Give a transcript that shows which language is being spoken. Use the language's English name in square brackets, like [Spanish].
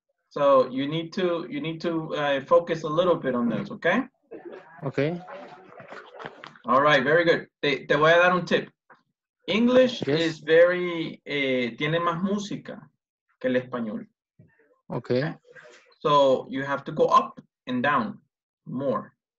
[English] So you need to focus a little bit on this, okay? Okay. All right, very good. [Spanish] Te voy a dar un tip. [English] English is very, [Spanish] tiene más música que el español. [English] Okay. So you have to go up and down more.